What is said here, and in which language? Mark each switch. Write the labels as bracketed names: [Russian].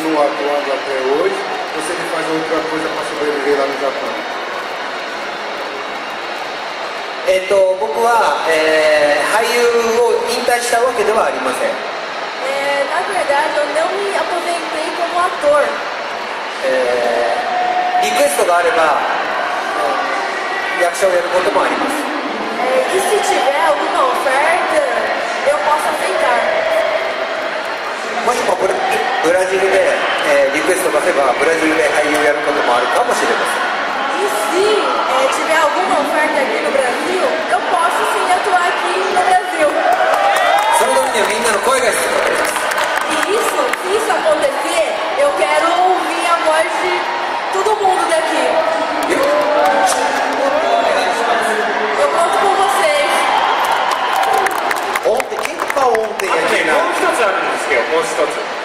[Portuguese] Outra coisa para sobreviver lá no Japão. [Japanese] 僕は、俳優を引退したわけではありません。 [Portuguese] Na verdade, eu não me aposentei como ator. [Japanese] リクエストがあれば役者をやることもあります。 [Portuguese] E se tiver alguma oferta, eu posso aceitar. [Japanese] もしもブラジルで、リクエストがあればブラジルで俳優をやることもあるかもしれません。 [Portuguese] E se tiver alguma oferta aqui no Brasil, eu posso sim atuar aqui no Brasil. [Japanese] その時にはみんなの声が必要です。 [Portuguese] Se isso acontecer, eu quero ouvir a voz de todo mundo daqui. Eu conto com vocês. Ontem? Quem que falou ontem aqui? Ah, tem um outro aqui, um outro.